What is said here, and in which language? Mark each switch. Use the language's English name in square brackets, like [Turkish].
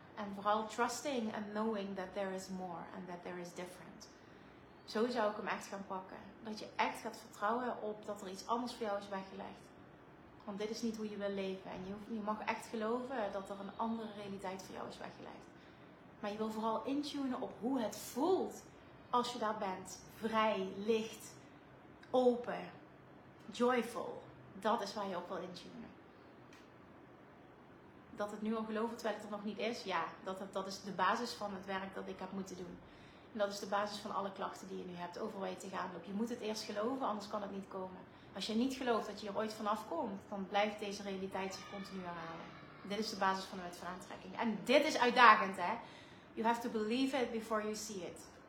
[Dutch] En vooral [English] trusting and knowing that there is more and that there is different. [Dutch] Zo zou ik hem echt gaan pakken. Dat je echt gaat vertrouwen op dat er iets anders voor jou is weggelegd. Want dit is niet hoe je wil leven. En je mag echt geloven dat er een andere realiteit voor jou is weggelegd. Maar je wil vooral intunen op hoe het voelt als je daar bent. Vrij, licht, open, joyful. Dat is waar je op wil intunen. Dat het nu al geloven terwijl het er nog niet is. Ja, dat is de basis van het werk dat ik heb moeten doen. En dat is de basis van alle klachten die je nu hebt over waar je tegenaan loopt. Je moet het eerst geloven, anders kan het niet komen. Als je niet gelooft dat je er ooit vanaf komt, dan blijft deze realiteit zich continu herhalen. Dit is de basis van de wet van aantrekking. En dit is uitdagend, hè. [English] You have to believe it before you see it.